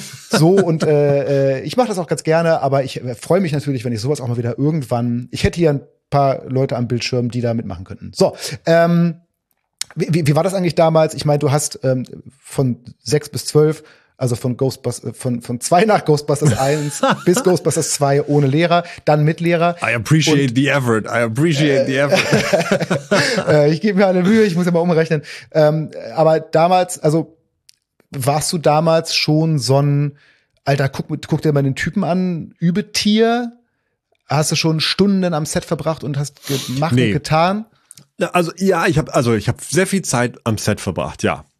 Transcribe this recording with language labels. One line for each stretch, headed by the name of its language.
German: So, und ich mache das auch ganz gerne, aber ich freue mich natürlich, wenn ich sowas auch mal wieder irgendwann, ich hätte hier ein paar Leute am Bildschirm, die da mitmachen könnten. So, wie war das eigentlich damals? Ich meine, du hast von 6 bis 12, also von 2 nach Ghostbusters 1 bis Ghostbusters 2 ohne Lehrer, dann mit Lehrer.
English: I appreciate the effort.
German: Ich gebe mir eine Mühe, ich muss ja mal umrechnen. Aber damals, also warst du damals schon so ein, Alter, guck dir mal den Typen an, Übetier? Hast du schon Stunden am Set verbracht und hast gemacht und getan? Ich habe sehr viel Zeit am Set verbracht, ja.